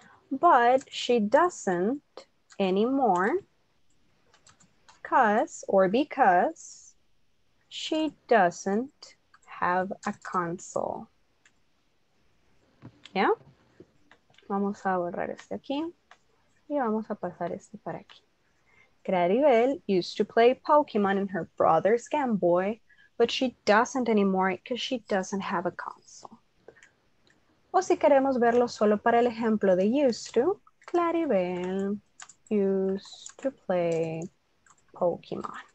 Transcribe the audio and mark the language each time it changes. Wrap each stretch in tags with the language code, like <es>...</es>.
<en>But she doesn't anymore because she doesn't have a console. Yeah?</en> <es>Vamos a borrar este aquí y vamos a pasar este para aquí.</es> <en>Claribel used to play Pokemon in her brother's Game Boy, but she doesn't anymore because she doesn't have a console.</en> <es>O si queremos verlo solo para el ejemplo de used to,</es> <en>Claribel used to play Pokemon.</en>